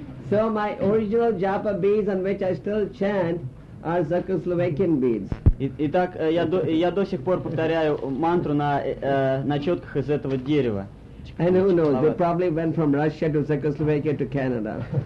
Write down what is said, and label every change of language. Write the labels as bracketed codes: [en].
[en] So my original japa beads on which I still chant are Czechoslovakian beads. [ru] Итак, я до сих пор повторяю мантру на четках из этого дерева. [en] And who knows, they probably went from Russia to Czechoslovakia to Canada.